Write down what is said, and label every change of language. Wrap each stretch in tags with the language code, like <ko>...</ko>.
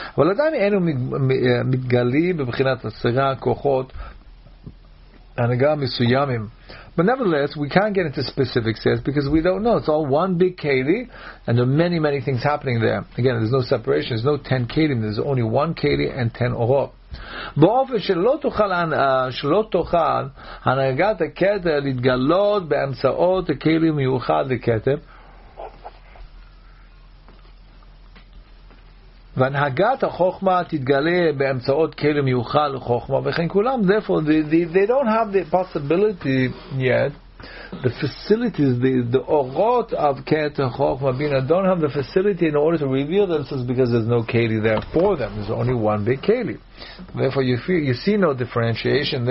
<he>אבל עדיין אינו מתגלי בבחינת עשרה כוחות הנהגה מסוימים.</he> <en>But nevertheless, we can't get into specifics here because we don't know. It's all one big keli, and there are many, many things happening there. Again, there's no separation. There's no 10 keli. There's only one keli and 10 orot.</en> <he>באופן שלא תוכל הנהגת הכתר להתגלות באמצעות הכלי מיוחד לכתר והנהגת החוכמה תתגלה באמצעות כלי מיוחד לחוכמה וכן כולם.</he> <en>Therefore they don't have the possibility yet, the facilities, the orot of keter chokhmah bina don't have the facility in order to reveal themselves because there's no keli there for them. There's only one big keli. Therefore, you see no differentiation.</en>